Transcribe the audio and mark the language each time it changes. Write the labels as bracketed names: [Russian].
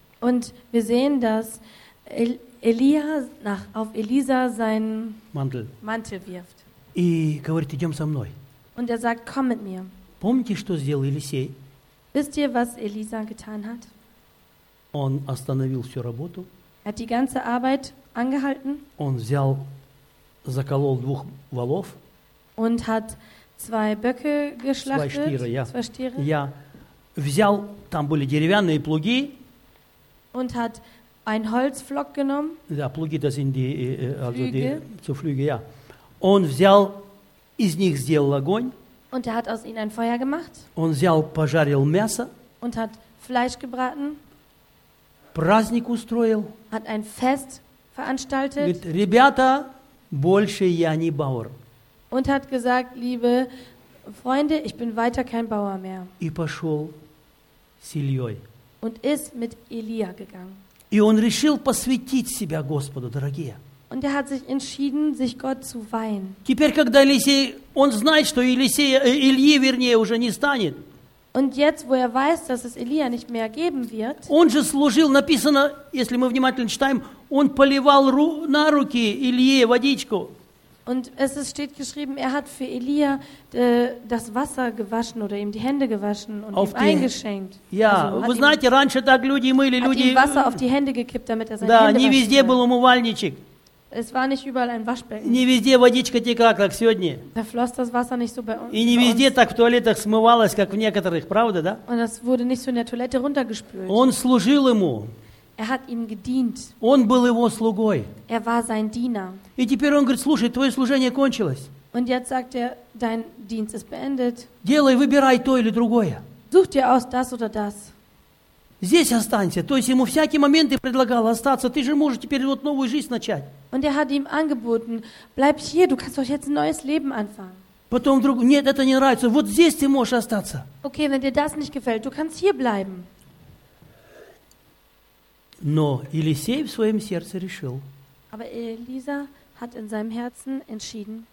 [German] Und wir sehen, dass Elia nach auf Elisa seinen Mantel wirft. [Russian] И говорит, идем со мной. [German] Und er sagt, komm mit mir. [Russian] Помните, что сделал Елисей? [German] Wisst ihr, was Elisa getan hat? [Russian] Он остановил всю работу. [German] Er hat die ganze Arbeit angehalten. [Russian] Он взял, заколол двух волов. [German] Und hat zwei Böcke geschlachtet. Zwei Stiere, ja. Zwei Stiere. Ja. [Russian] Взял, там были деревянные плуги. [German] Und hat einen Holzpflock genommen. Ja, Plüge, das sind die, also die Zuflüge, ja. [Russian] Он взял, из них сделал огонь. [German] Und er hat aus ihnen ein Feuer gemacht. [Russian] Он взял, пожарил мясо. [German] Und hat Fleisch gebraten. [Russian] Праздник устроил. [German] Hat ein Fest veranstaltet. [Russian] Говорит, ребята, больше я не Бауэр. [German] Und hat gesagt, liebe Freunde, ich bin weiter kein Bauer mehr. [Russian] И пошел с Ильей. [German] Und ist mit Elia gegangen. [Russian] И он решил посвятить себя Господу, дорогие. [German] Und er hat sich entschieden, sich Gott zu weihen. [Russian] Теперь, когда Елисей, он знает, что Илье, вернее, уже не станет. [German] Und jetzt, wo er weiß, dass es Elia nicht mehr geben wird. [Russian] Он же служил, написано, если мы внимательно читаем, он поливал на руки Илье водичку. [German] Und es ist, steht geschrieben, er hat für Elia das Wasser gewaschen oder ihm die Hände gewaschen und auf ihm die, eingeschenkt. Ja, also, [Russian] вы знаете, [German] ihm, [Russian] раньше так люди мыли, [German] hat [Russian] люди... [German] Hat ihm Wasser auf die Hände gekippt, damit er seine Hände waschen kann. [Russian] Да, не везде был умывальничек. [German] Es war nicht überall ein Waschbecken. [Russian] Не везде водичка текла, как сегодня. [German] Da floss das Wasser nicht so bei uns. [Russian] И не везде так в туалетах смывалось, как в некоторых, правда, да? [German] Und es wurde nicht so in der Toilette runtergespült. [Russian] Он служил ему. [German] Er hat ihm gedient. [Russian] Он был его слугой. [German] Er war sein Diener. [Russian] И теперь он говорит, слушай, твое служение кончилось. [German] Und jetzt sagt er, dein Dienst ist beendet. [Russian] Делай, выбирай то или другое. Such dir aus das oder das. Здесь останься. То есть ему всякие моменты предлагал остаться. Ты же можешь теперь вот новую жизнь начать. [German] Und er hat ihm angeboten, bleib hier, du kannst doch jetzt ein neues Leben anfangen. [Russian] Потом вдруг, нет, это не нравится. Вот здесь ты можешь остаться. [German] Okay, wenn dir das nicht gefällt, du kannst hier bleiben. [Russian] Но Елисей в своем сердце решил, [German] Aber Elisa hat in seinem Herzen entschieden,